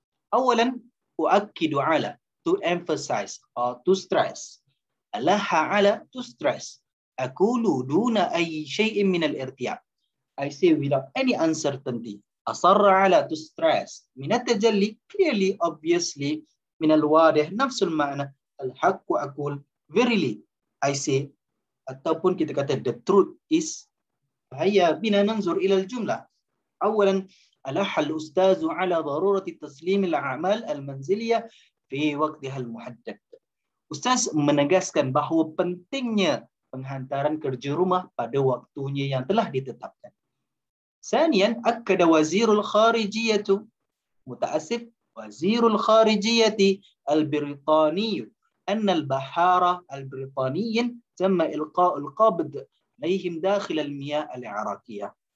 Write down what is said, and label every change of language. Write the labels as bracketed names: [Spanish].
[Malay] Awalan [Arabic] أؤكد على [English] to emphasize or to stress. [Arabic] ألح على [English] to stress. [Arabic] أقول دون أي شيء من الارتياب. [English] I say without any uncertainty. [Arabic] أصر على [English] to stress. [Arabic] من التجلي [English] clearly obviously [Arabic] من الواضح نفس المعنى. الحق أقول [English] verily. I say [Malay] ataupun kita kata [English] the truth is. [Arabic] هيا بنا ننظر إلى الجملة. أولا ألح الأستاذ على ضرورة تسليم الأعمال المنزلية في وقتها المحدد. [Malay] أستاذ menegaskan bahwa pentingnya penghantaran kerja rumah pada waktunya yang telah ditetapkan. [Arabic] ثانيا أكد وزير الخارجية متأسف وزير الخارجية البريطاني أن البحارة البريطانيين تم إلقاء القبض عليهم داخل المياه العراقية.